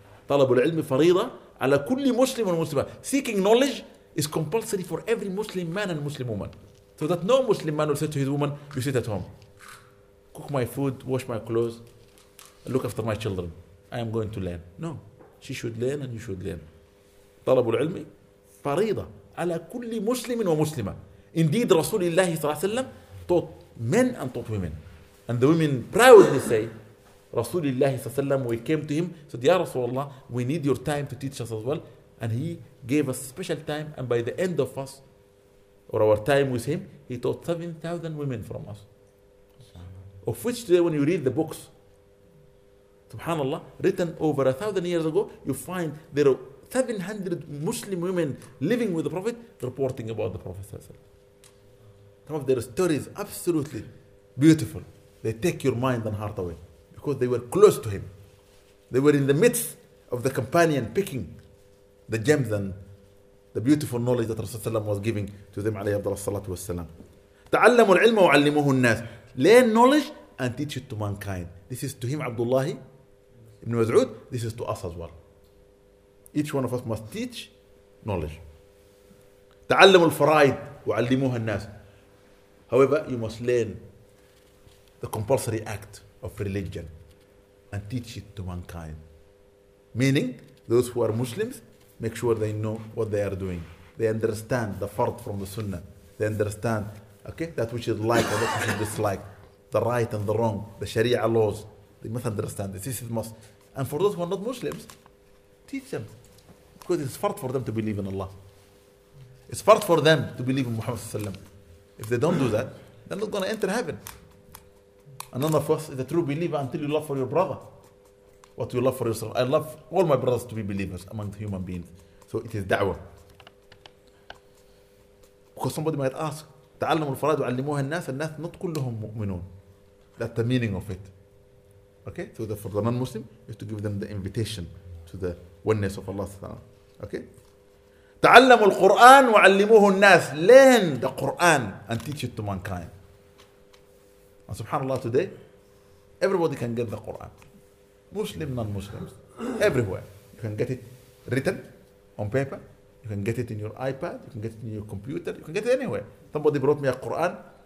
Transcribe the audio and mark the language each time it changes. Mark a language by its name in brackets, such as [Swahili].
[Arabic] طلب العلم فريضة على كل مسلم ومسلمة. [English] Seeking knowledge is compulsory for every Muslim man and Muslim woman. So that no Muslim man will say to his woman, you sit at home, cook my food, wash my clothes, and look after my children. I am going to learn. No, she should learn and you should learn. [Arabic] طلب العلم فريضة على كل مسلم ومسلمة. [English] Indeed, Rasulullah صلى الله عليه وسلم taught men and taught women. And the women proudly say, Rasulullah صلى الله عليه وسلم, we came to him, said, Ya Rasulullah, we need your time to teach us as well. And he gave us special time, and by the end of us, or our time with him, he taught 7,000 women from us. Of which today, when you read the books, subhanAllah, written over 1,000 years ago, you find there are 700 Muslim women living with the Prophet, reporting about the Prophet صلى الله عليه وسلم. Some of their stories absolutely beautiful. They take your mind and heart away because they were close to him. They were in the midst of the companion picking the gems and the beautiful knowledge that Rasulullah was giving to them عليه أفضل الصلاة والسلام. [Arabic] تعلموا العلم وعلموه الناس. [English] Learn knowledge and teach it to mankind. This is to him, Abdullah ibn Mas'ud. This is to us as well. Each one of us must teach knowledge. [Arabic] تعلموا الفرائض وعلموها الناس. [English] However, you must learn the compulsory act of religion and teach it to mankind. Meaning, those who are Muslims, make sure they know what they are doing. They understand the fard from the sunnah. They understand, okay, that which is like and that which is dislike, the right and the wrong, the sharia laws. They must understand this. This is must. And for those who are not Muslims, teach them. Because it's fard for them to believe in Allah. It's fard for them to believe in Muhammad sallallahu alayhi wa sallam. If they don't do that, they're not going to enter heaven. And none of us is a true believer until you love for your brother what you love for yourself. I love all my brothers to be believers among the human beings. So it is da'wah. Because somebody might ask, تعلموا الفرائض وعلموها الناس, الناس not كلهم مؤمنون. That's the meaning of it. Okay? So the, for the non-Muslim, you have to give them the invitation to the oneness of Allah. Okay? [Arabic] تعلموا القرآن وعلموه الناس. [English] Learn the Quran and teach it to mankind. And subhanAllah, today everybody can get the Quran. Muslim, non-Muslims. Everywhere. You can get it written on paper. You can get it in your iPad. You can get it in your computer. You can get it anywhere. Somebody brought me a Quran.